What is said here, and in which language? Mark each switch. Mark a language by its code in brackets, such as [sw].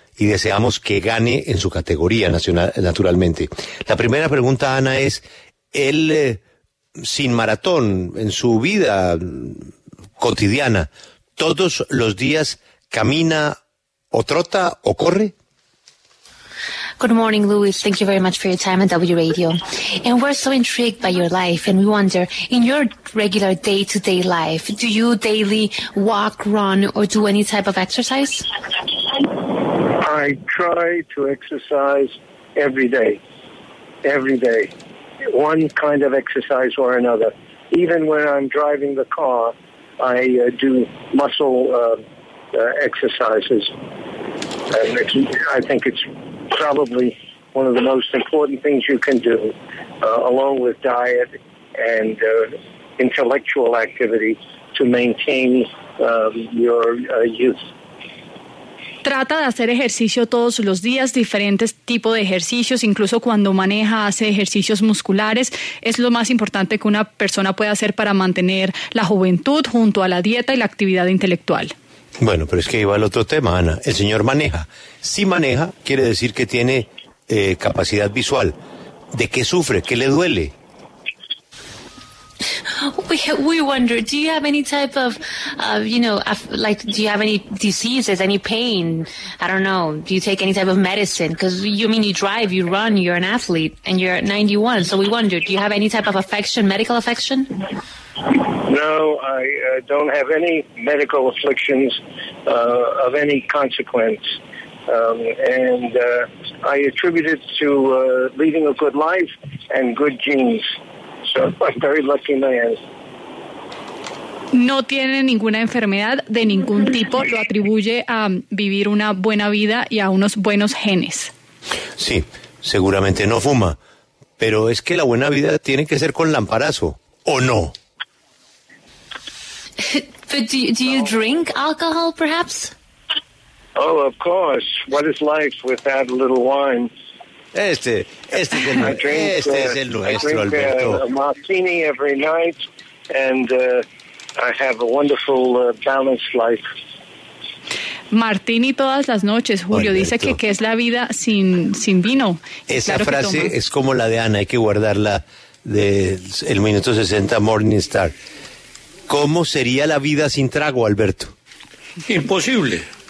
[es] Y deseamos que gane en su categoría nacional, naturalmente. La primera pregunta, Ana, es, él sin maratón, en su vida cotidiana, ¿todos los días camina o trota o corre? [en] Good morning, Luis. Thank you very much for your time at W Radio. And we're so intrigued by your life, and we wonder, in your regular day-to-day life, do you daily walk, run, or do any type of exercise? I try to exercise every day. Every day. One kind of exercise or another. Even when I'm driving the car, I do muscle exercises. I think it's probably one of the most important things you can do, along with diet and intellectual activity, to maintain your youth. [es] Trata de hacer ejercicio todos los días, diferentes tipos de ejercicios, incluso cuando maneja hace ejercicios musculares. Es lo más importante que una persona puede hacer para mantener la juventud junto a la dieta y la actividad intelectual. Bueno, pero es que iba al otro tema, Ana. El señor maneja. Si maneja, quiere decir que tiene capacidad visual. ¿De qué sufre? ¿Qué le duele? [en] We wonder, do you have any type of, do you have any diseases, any pain? I don't know. Do you take any type of medicine? Because you mean you drive, you run, you're an athlete, and you're 91. So we wonder, do you have any type of affection, medical affection? No, I don't have any medical afflictions of any consequence. I attribute it to leading a good life and good genes. So I'm a very lucky man. [es] No tiene ninguna enfermedad de ningún tipo. Lo atribuye a vivir una buena vida y a unos buenos genes. Sí, seguramente no fuma. Pero es que la buena vida tiene que ser con lamparazo, ¿o no? [en] But do you drink alcohol, perhaps? Oh, of course. What is life without a little wine? [es] Este es el nuestro, Alberto. [en] I drink a martini every night, and I have a wonderful balanced life. [es] Martini todas las noches, Julio. Alberto. Dice que es la vida sin vino. Esa claro frase es como la de Ana, hay que guardarla del minuto 60 Morningstar. ¿Cómo sería la vida sin trago, Alberto? Imposible.